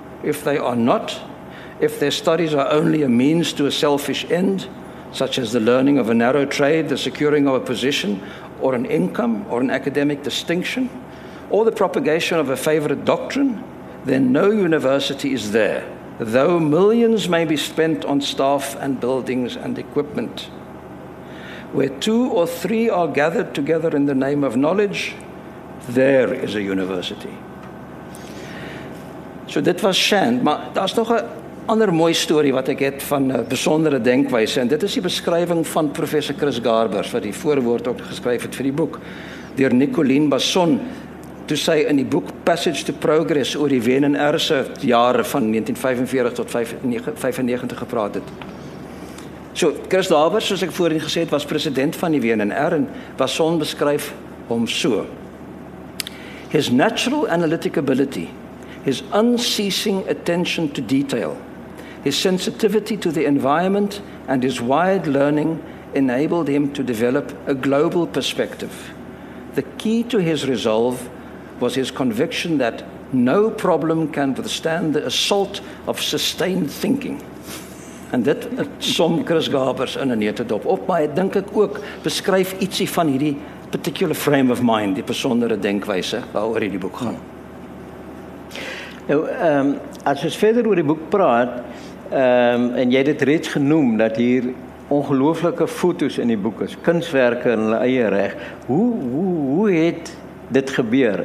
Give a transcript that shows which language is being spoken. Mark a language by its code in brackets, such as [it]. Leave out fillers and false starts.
[en] If they are not, if their studies are only a means to a selfish end, such as the learning of a narrow trade, the securing of a position, or an income, or an academic distinction, or the propagation of a favorite doctrine, then no university is there, though millions may be spent on staff and buildings and equipment. Where two or three are gathered together in the name of knowledge, there is a university. [af] So dit was Shand, maar daar's nog 'n ander mooi storie wat ek het van besondere denkwyse, en dit is die beskrywing van professor Chris Garbers, wat die voorwoord ook geskryf het vir die boek, deur Nicoline Basson, toe sy in die boek Passage to Progress oor die Wen en Erse jare van 1945 tot 1995 gepraat het. So, Chris Garbers, soos ek voorheen gesê het, was president van die Wen en Erse, en Basson beskryf hom so: [en] his natural analytic ability, his unceasing attention to detail, his sensitivity to the environment, and his wide learning enabled him to develop a global perspective. The key to his resolve was his conviction that no problem can withstand the assault of sustained thinking. [af] And dit som Chris Garbers in 'n netedop op, maar ek dink ek ook beskryf ietsie van hierdie [en] particular frame of mind, [af] die besondere denkwyse waaroor hierdie boek gaan. Nou, as ons verder oor die boek praat, en jy het dit reeds genoem, dat hier ongelooflike foto's in die boek is, kunstwerke in hulle eie reg, hoe het dit gebeur?